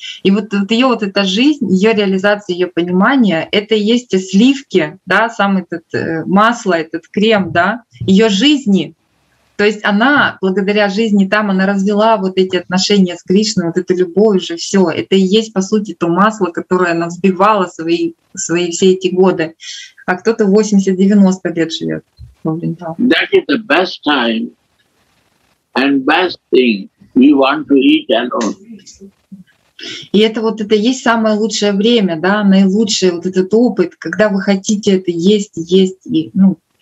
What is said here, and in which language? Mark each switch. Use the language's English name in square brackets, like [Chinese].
[Russian] И вот, вот ее вот эта жизнь, ее реализация, ее понимание, это и есть те сливки, да, сам этот масло, этот крем, да, ее жизни. То есть она, благодаря жизни там, она развела вот эти отношения с Кришной, вот эту любовь уже, все. Это и есть, по сути, то масло, которое она взбивала свои все эти годы. А кто-то 80-90 лет живет. [English] That is the best time and best thing you want to eat alone. [Russian] И это вот это есть самое лучшее время, да, наилучший вот этот опыт, когда вы хотите это есть, есть и, ну...